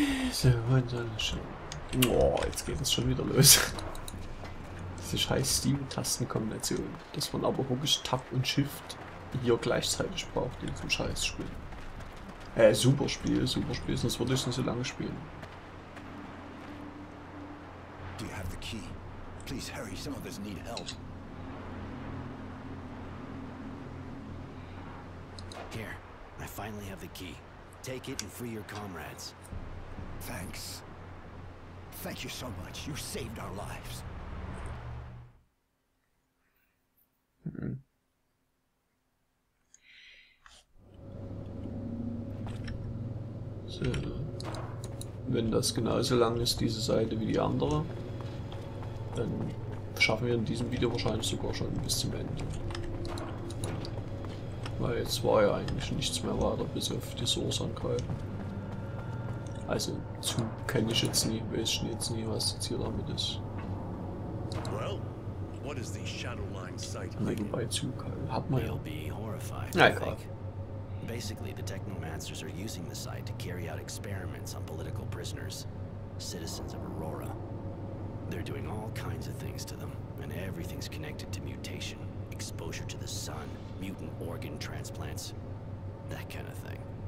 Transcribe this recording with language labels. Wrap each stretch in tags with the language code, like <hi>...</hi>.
<de>So, wohin soll ich schon? Oh, jetzt geht es schon wieder los. Diese scheiß Steam-Tastenkombination, dass man aber wirklich Tab und Shift hier gleichzeitig braucht in diesem scheiß Spiel. Super Spiel, sonst würde ich es nicht so lange spielen.</de> <en>Do you have the key? Please hurry, some of us need help. Here, I finally have the key. Take it and free your comrades. Thanks. Thank you so much. You saved our lives.</en> <de>So. Wenn das genauso lang ist, diese Seite wie die andere, dann schaffen wir in diesem Video wahrscheinlich sogar schon bis zum Ende. Weil jetzt war ja eigentlich nichts mehr weiter, bis auf die Source angreifen. Also, zu kenne ich jetzt nie, weiß ich jetzt nie, was das hier damit ist.</de> <en>Well, what is the Shadow Line site?</en> <de>Nebenbei zu, hat man ja.</de> <en>Basically, the Technomancers are using the site to carry out experiments on political prisoners, citizens of Aurora. They're doing all kinds of things to them, and everything's connected to mutation, exposure to the sun, mutant organ transplants, that kind of thing.</en>